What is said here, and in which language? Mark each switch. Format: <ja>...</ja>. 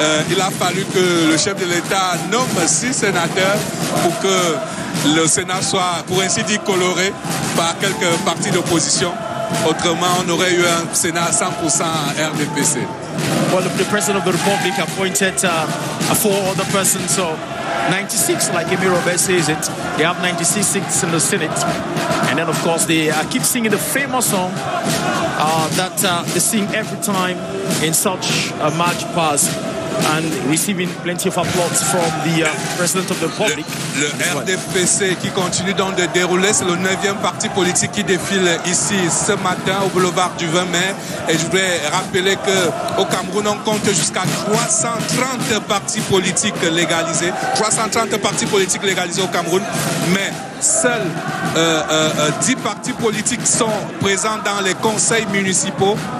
<fr>Il a fallu que le chef de l'État nomme 6 sénateurs pour que le Sénat soit, pour ainsi dire, coloré par quelques partis d'opposition. Autrement, on aurait eu un Sénat 100% RDPC.</fr> <en>Well, the President of the Republic appointed 4 other persons, so 96, like Emir Robert says it. They have 96 seats in the Senate. And then, of course, they keep singing the famous song that they sing every time in such a march past, and receiving plenty of applause from the President of the Republic.</en> <fr>Le RDPC qui continue donc de dérouler, c'est le 9e parti politique qui défile ici ce matin au boulevard du 20 mai. Et je voulais rappeler qu'au Cameroun, on compte jusqu'à 330 partis politiques légalisés. 330 partis politiques légalisés au Cameroun, mais seuls 10 partis politiques sont présents dans les conseils municipaux.</fr>